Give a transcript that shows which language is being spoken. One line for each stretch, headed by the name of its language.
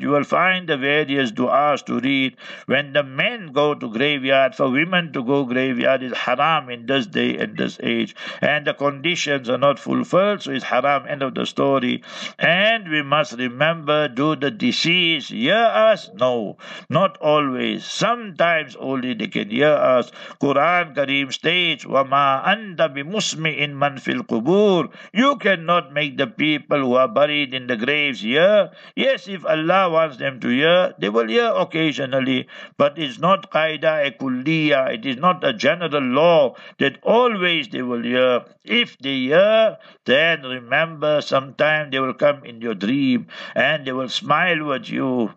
English: You will find the various du'as to read. When the men go to graveyard, for women to go graveyard is haram in this day and this age. And the conditions are not fulfilled, so it's haram, end of the story. And we must remember, do the deceased hear us? No, not always. Sometimes only they can hear us. Quran Kareem states,
Arabic: وَمَا أَنْتَ بِمُسْمِئٍ مَنْ فِي الْقُبُورِ.
English: You cannot make the people who are buried in the graves hear. Yes, if Allah wants them to hear, they will hear occasionally. But it's not qaida e kulliya. It is not a general law that always they will hear. If they hear, then remember, sometime they will come in your dream and they will smile with you.